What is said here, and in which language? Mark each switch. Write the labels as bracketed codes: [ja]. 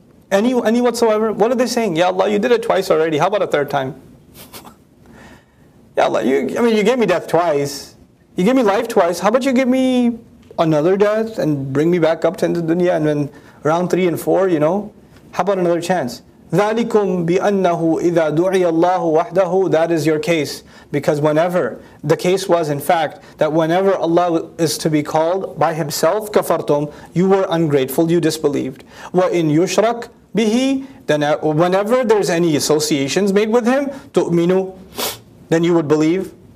[en] Any whatsoever? What are they saying? Ya Allah, you did it twice already. How about a third time? Ya Allah, you gave me death twice. You gave me life twice. How about you give me another death and bring me back up to the dunya and then round three and four, you know? How about another chance? [ar] ذَلِكُمْ بِأَنَّهُ إِذَا دُعِيَ اللَّهُ وَحْدَهُ [en] That is your case. Because whenever, the case was in fact, that whenever Allah is to be called by Himself, [ar] كَفَرْتُمْ [en] You were ungrateful, you disbelieved. [ar] وَإِنْ يُشْرَكْ بِهِ [en] Then whenever there's any associations made with Him, [ar] تُؤْمِنُ [en] Then you would believe.